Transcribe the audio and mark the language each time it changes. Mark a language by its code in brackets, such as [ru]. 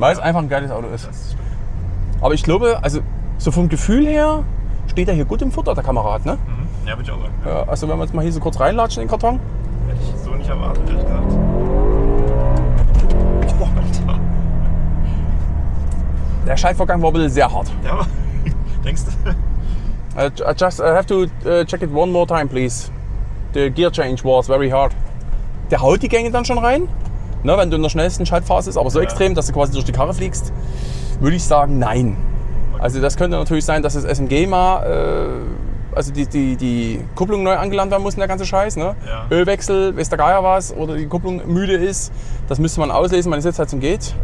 [de] Weil es einfach ein geiles Auto ist. Aber ich glaube, also so vom Gefühl her steht er hier gut im Futter, der Kamerad. Ne? Mhm. Ja, würde ich auch sagen. Ja. Ja, also wenn wir jetzt mal hier so kurz reinlatschen in den Karton. Hätte ich so nicht erwartet, ehrlich gesagt. Oh, Alter. Der Schaltvorgang war ein bisschen sehr hart. Ja, denkst du? [en] I have to check it one more time, please. The gear change was very hard. [de] Der haut die Gänge dann schon rein, ne, wenn du in der schnellsten Schaltphase bist, aber so ja. Extrem, dass du quasi durch die Karre fliegst, würde ich sagen, nein. Also das könnte natürlich sein, dass das SMG mal, also die Kupplung neu angelandet werden muss, der ganze Scheiß. Ne? Ja. Ölwechsel, weiß der Geier was, oder die Kupplung müde ist. Das müsste man auslesen, wenn es jetzt halt so geht.